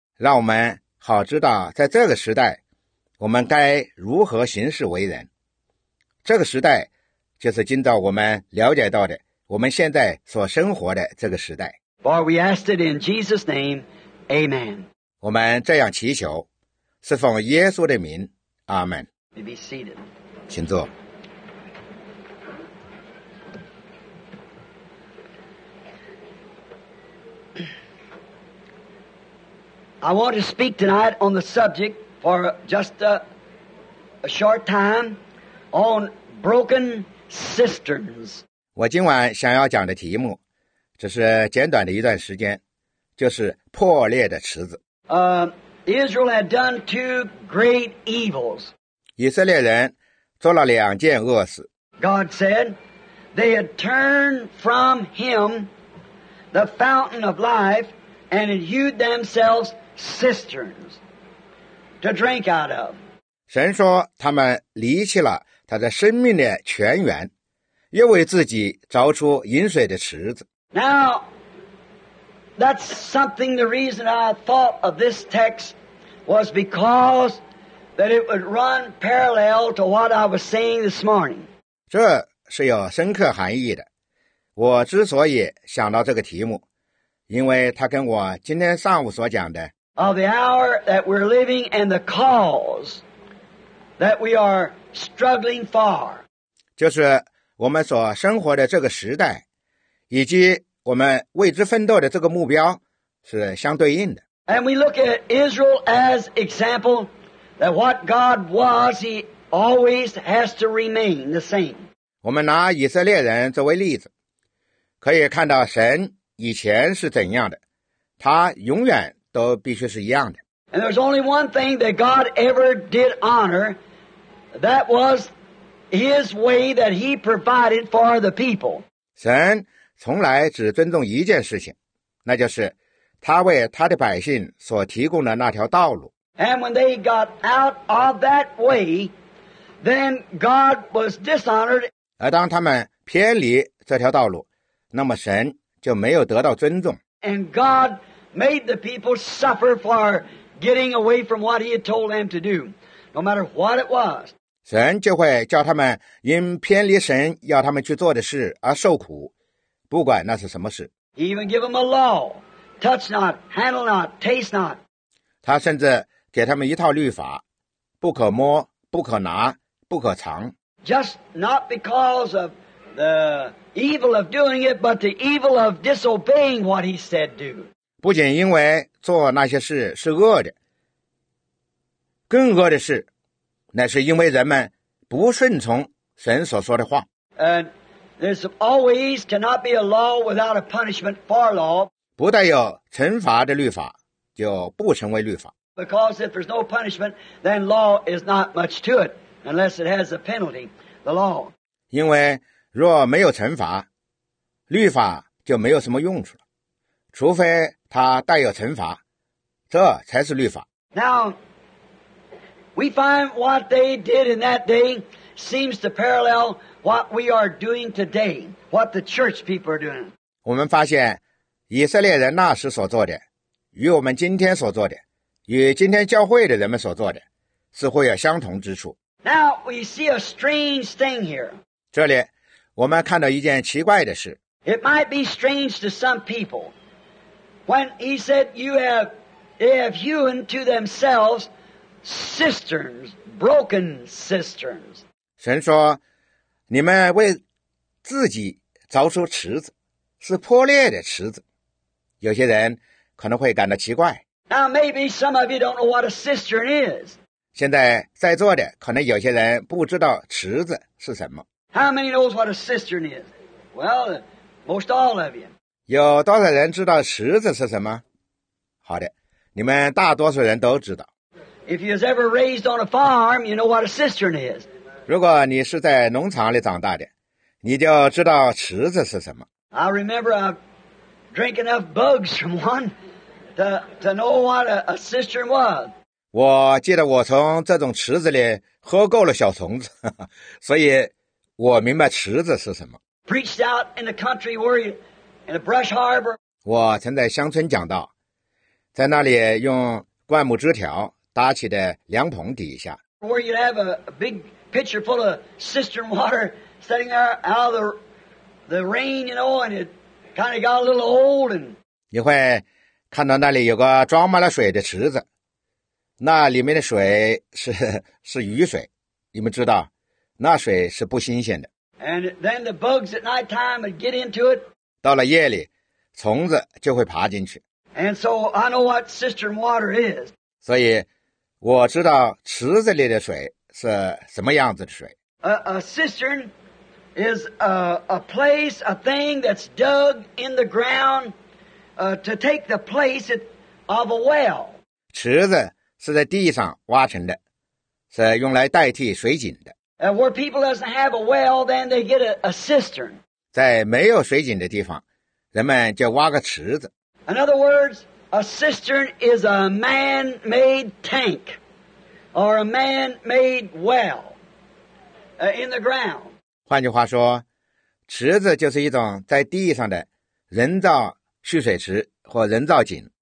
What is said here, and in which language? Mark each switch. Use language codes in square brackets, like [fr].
[zh] 让我们好知道在这个时代我们该如何行事为人。这个时代就是今早我们了解到的我们现在所生活的这个时代。 [en] For we ask it in Jesus' name, Amen. [zh] 我们这样祈求，是奉耶稣的名，阿门。 [en] You be seated. [zh] 请坐。 [en] I want to speak tonight on the subject for just a short time on broken cisterns. [zh] 我今晚想要讲的题目。只是简短的一段时间，就是破裂的池子。 [en] Israel had done two great evils. [zh] 以色列人做了两件恶事。 [en] God said they had turned from Him, the fountain of life, and had hewed themselves cisterns to drink out of. [zh] 神说他们离弃了他的生命的泉源，又为自己凿出饮水的池子。 [en] Now, that's something the reason I thought of this text was because that it would run parallel to what I was saying this morning. [zh] 这是有深刻含义的。我之所以想到这个题目，因为它跟我今天上午所讲的 [en] of the hour that we're living and the cause that we are struggling for， [zh] 就是我们所生活的这个时代以及我们为之奋斗的这个目标是相对应的。 [en] And we look at Israel as example that what God was, he always has to remain the same。 [zh] 我们拿以色列人作为例子，可以看到神以前是怎样的，他永远都必须是一样的。 [en] And there's only one thing that God ever did honor, that was his way that he provided for the people。 [zh] 神从来只尊重一件事情，那就是他为他的百姓所提供的那条道路。 [en] And when they got out of that way, then God was dishonored。 [zh] 而当他们偏离这条道路，那么神就没有得到尊重。 [en] And God made the people suffer for getting away from what he had told them to do, no matter what it was. [zh] 神就会叫他们因偏离神要他们去做的事而受苦，不管那是什么事。 [en] He even gave them a law, touch not, handle not, taste not. [zh] 他甚至给他们一套律法，不可摸，不可拿，不可尝。 [en] Just not because of the evil of doing it, but the evil of disobeying what he said do. [zh] 不仅因为做那些事是恶的，更恶的是乃是因为人们不顺从神所说的话。 [en] And there's always cannot be a law without a punishment for law. [zh] 不带有惩罚的律法就不成为律法。 [en] Because if there's no punishment, then law is not much to it, unless it has a penalty, the law. [zh] 因为若没有惩罚，律法就没有什么用处了，除非它带有惩罚，这才是律法。 [en] Now, we find what they did in that day seems to parallel what we are doing today, what the church people are doing. [zh] 我们发现以色列人那时所做的与我们今天所做的与今天教会的人们所做的似乎有相同之处。 [en] Now, we see a strange thing here. [zh] 这里我们看到一件奇怪的事。 [en] It might be strange to some people when he said they have hewn to themselves cisterns, broken cisterns. [zh] 神说你们为自己凿出池子，是破裂的池子。有些人可能会感到奇怪。 [en] Now maybe some of you don't know what a cistern is. [zh] 现在在座的可能有些人不知道池子是什么。 [en] How many knows what a cistern is? Well, most all of you. [zh] 有多少人知道池子是什么？好的，你们大多数人都知道。 [en] If you was ever raised on a farm, you know what a cistern is. [zh] 如果你是在农场里长大的，你就知道池子是什么。 [en] I remember I drank enough bugs from one to know what a cistern was. [zh] 我记得我从这种池子里喝够了小虫子，所以我明白池子是什么。 [en] Preached out in the country where you, in a brush harbor. [zh] 我曾在乡村讲道，在那里用灌木枝条搭起的凉棚底下。 [en] Where you'd have a big pitcher full of cistern water sitting there out of the rain, you know, and it kind of got a little old. And [zh] 你会看到那里有个装满了水的池子，那里面的水是雨水，你们知道那水是不新鲜的。 [en] And then the bugs at night time would get into it. [zh] 到了夜里虫子就会爬进去。 [en] And so I know what cistern water is. [zh] 所以我知道池子里的水是什么样子的水。 [en] A cistern is a place, a thing that's dug in the ground to take the place of a well. [zh] 池子是在地上挖成的，是用来代替水井的。 [en] Where people doesn't have a well, then they get a cistern. [zh] 在没有水井的地方，人们就挖个池子。 [en] In other words, A cistern is a man-made tank or a man-made well in the ground. [zh] 换句话说，池子就是一种在地上的人造蓄水池或人造井。